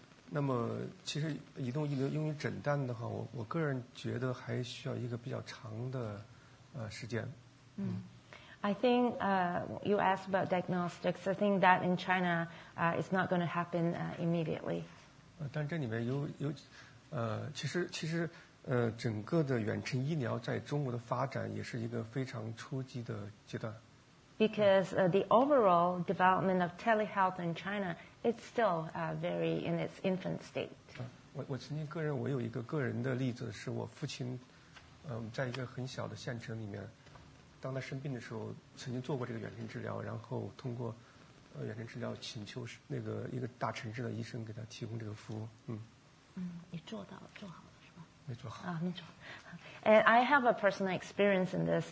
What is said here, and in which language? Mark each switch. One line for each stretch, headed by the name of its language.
Chinese: 那么其实移动医疗用于诊断的话，我个人觉得还需要一个比较长的时间。
English: I think you asked about diagnostics. I think that in China, it's not going to happen immediately.
Chinese: 但这里面有其实整个的远程医疗在中国的发展也是一个非常初级的阶段。
English: Because the overall development of telehealth in China, it's still very in its infant state.
Chinese: 我曾经个人我有一个个人的例子，是我父亲，在一个很小的县城里面。当他生病的时候，曾经做过这个远程治疗，然后通过远程治疗请求那个一个大城市的医生给他提供这个服务。你做到了，做好了是吧？没做好啊，没做好。
English: And I have a personal experience in this.